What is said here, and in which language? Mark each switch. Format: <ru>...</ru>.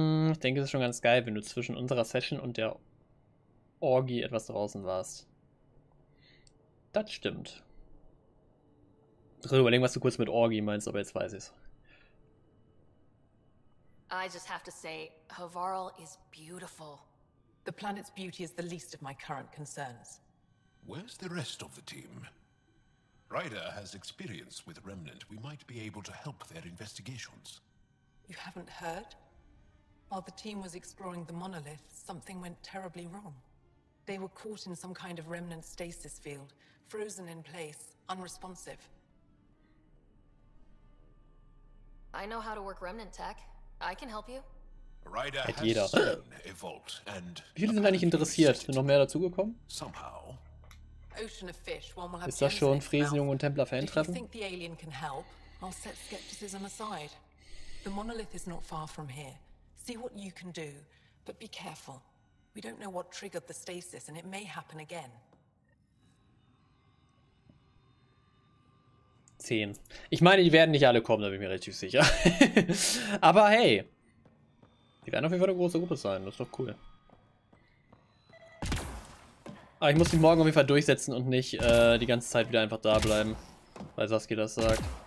<de>Ich denke, es ist schon ganz geil, wenn du zwischen unserer Session und der Orgie etwas draußen warst. Das stimmt. Ich muss überlegen, was du kurz mit Orgie meinst, aber jetzt weiß ich's.</de> <en>I just have to say, Havarl is beautiful. The planet's beauty is the least of my current concerns. Where's the rest of the team? Ryder has experience with Remnant. We might be able to help their investigations. You haven't heard? While the team was exploring the monolith, something went terribly wrong. They were caught in some kind of Remnant stasis field, frozen in place, unresponsive. I know how to work Remnant tech. I can help you. Ryder has seen a vault and...</en> <de>Viele sind eigentlich interessiert. Sind noch mehr dazugekommen?</de> <en>Somehow. Ocean of fish. One will have</en> <de>ist das schon Friesenjung und Templer Fan treffen?</de> <en>Think the alien can help? I'll set skepticism aside. The monolith is not far from here. See what you can do, but be careful. We don't know what triggered the stasis and it may happen again. 10.</en> <de>Ich meine, die werden nicht alle kommen, da bin ich mir relativ sicher. Aber hey. Die werden auf jeden Fall eine große Gruppe sein, das ist doch cool. Ah, ich muss mich morgen auf jeden Fall durchsetzen und nicht die ganze Zeit wieder einfach da bleiben, weil Saskia das sagt.</de>